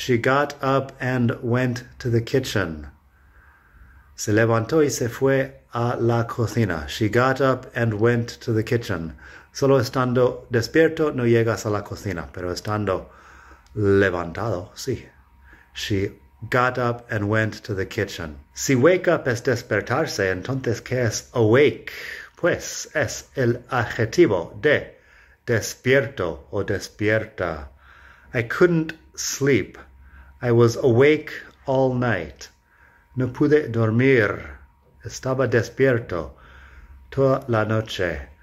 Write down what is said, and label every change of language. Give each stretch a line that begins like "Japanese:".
English: She got up and went to the kitchen.
Spanish: Se levantó y se fue a la cocina.
English: She got up and went to the kitchen.
Spanish: Solo estando despierto no llegas a la cocina, pero estando levantado, sí.
English: She got up and went to the kitchen.
Spanish: Si wake up es despertarse, entonces ¿qué es awake? Pues es el adjetivo de despierto o despierta.
English: I couldn't sleep. I was awake all night.
Spanish: No pude dormir. Estaba despierto toda la noche.